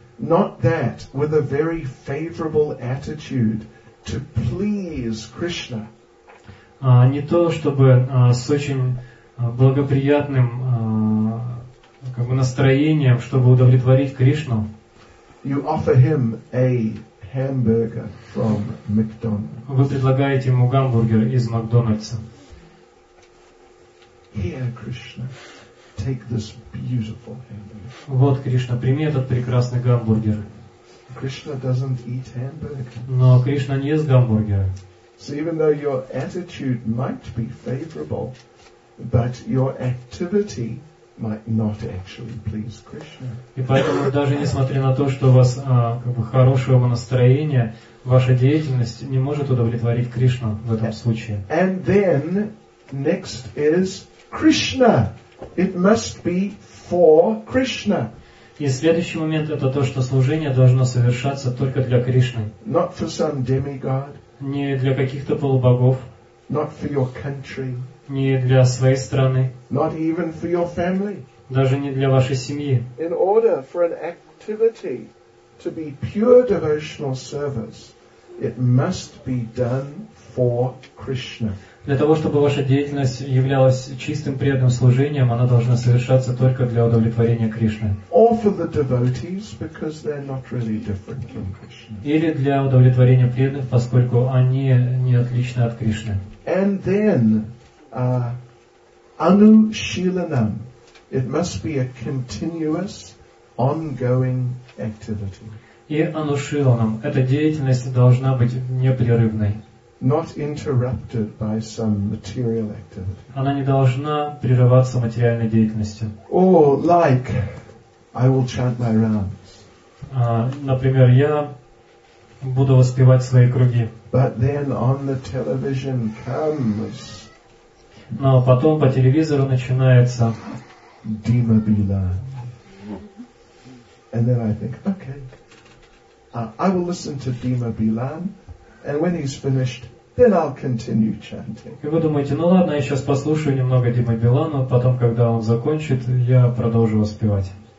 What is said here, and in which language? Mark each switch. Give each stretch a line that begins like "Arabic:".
English: Not that with a very favorable attitude to please Krishna.
Russian: Не то, чтобы с очень благоприятным как бы настроением, чтобы удовлетворить Кришну.
English: You offer him a hamburger from McDonald's.
Russian: Вы предлагаете ему гамбургер из Макдональдса.
English: Here, Krishna, take this beautiful hamburger.
Russian: Вот, Кришна, прими этот прекрасный гамбургер.
English: Krishna doesn't eat hamburgers.
Russian: Но Кришна не ест гамбургеры.
English: So even though your attitude might be favorable, but your activity might not actually please Krishna.
Russian: И поэтому даже несмотря на то, что у вас как бы хорошее настроение, ваша деятельность не может удовлетворить Кришну в этом случае.
English: And then next is Krishna. It must be for Krishna.
Russian: И следующий момент это то, что служение должно совершаться только для Кришны.
English: Not for some demigod.
Russian: Не для каких-то полубогов.
English: Not for your country.
Russian: Не для своей страны.
English: Not even for your family.
Russian: Даже не для вашей семьи.
English: In order for an activity to be pure devotional service, it must be done for Krishna.
Russian: Для того, чтобы ваша деятельность являлась чистым преданным служением, она должна совершаться только для удовлетворения Кришны.
English: Or for the devotees, because they're not really different from Krishna.
Russian: Или для удовлетворения преданных, поскольку они не отличны от Кришны.
English: And then, anushilanam. It must be a continuous, ongoing activity.
Russian: И анушиланам. Эта деятельность должна быть непрерывной.
English: Not interrupted by some material activity.
Russian: Она не должна прерываться материальной деятельностью.
English: Or like, I will chant my rounds.
Russian: Например, я буду воспевать свои круги.
English: But then on the television comes.
Russian: Но потом по телевизору начинается. Дима Билан.
English: And then I think, okay, I will listen to Дима Билан, and when he's finished. Then I'll continue chanting.
Russian: И вы думаете, ну ладно, я сейчас послушаю немного Димы Билана, потом, когда он закончит, я продолжу воспевать.